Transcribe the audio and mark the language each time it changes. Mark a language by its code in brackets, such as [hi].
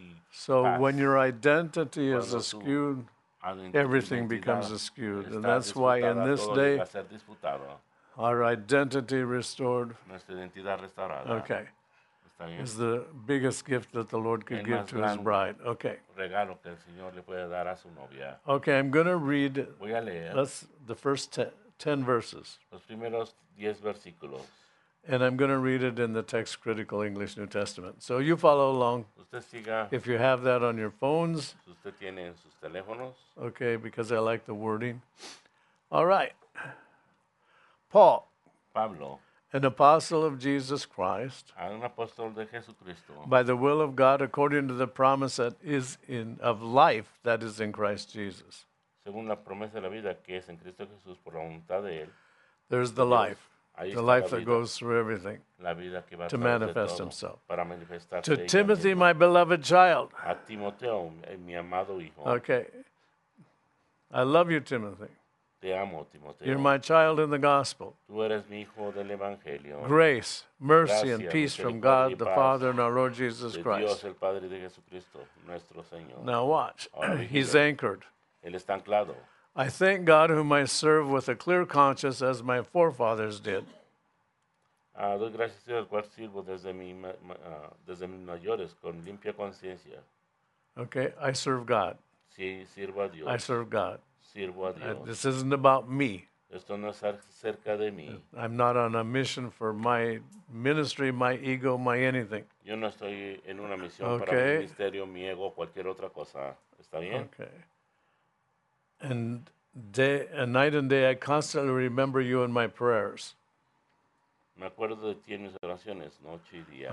[en] So when your identity is askew, everything becomes askew. And that's why in this day, our identity restored. Okay. is the biggest gift that the Lord could give to his bride. Okay. [es] Regalo que el Señor le puede dar a su novia. [en] Okay, I'm going to read [es] Voy a leer. [en] That's the first ten verses. [es] Los primeros diez versículos. [en] And I'm going to read it in the Text Critical English New Testament. So you follow along. [es] Usted siga. [en] If you have that on your phones. [es] Usted tiene en sus teléfonos. [en] Okay, because I like the wording. All right. Paul. [es] Pablo. [en] An apostle of Jesus Christ. [es] Un apóstol de Jesucristo. [en] By the will of God, according to the promise that is in of life that is in Christ Jesus. [es] Según la promesa de la vida que es en Cristo Jesús por la voluntad de él. [en] There's the life. The life that goes through everything [es] la vida que va [en] to manifest todo, himself. [es] Para [en] to Timothy, my beloved child. [es] A Timoteo, mi amado hijo. [en] Okay. I love you, Timothy. [es] Te amo, Timoteo. [en] You're my child in the gospel. [es] Tú eres mi hijo del Evangelio. [en] Grace, mercy, Gracias, and peace from God, the Father, and our Lord Jesus Christ. [es] De Dios, el Padre de Jesucristo, nuestro Señor. [en] Now watch. He's anchored. [es] Él está anclado. [en] I thank God whom I serve with a clear conscience as my forefathers did. [es] Doy gracias a Dios al cual sirvo desde mis mayores con limpia conciencia. [en] Okay, I serve God. [es] Sí, sirvo a Dios. [en] I serve God. [es] Sirvo a Dios. [en] This isn't about me. [es] Esto no es acerca de mí. [en] I'm not on a mission for my ministry, my ego, my anything. [es] Yo no estoy en una misión okay. para mi ministerio, mi ego, cualquier otra cosa. ¿Está bien? [en] Okay. And day and night and day, I constantly remember you in my prayers. [es] Me acuerdo de ti en mis oraciones, noche y día.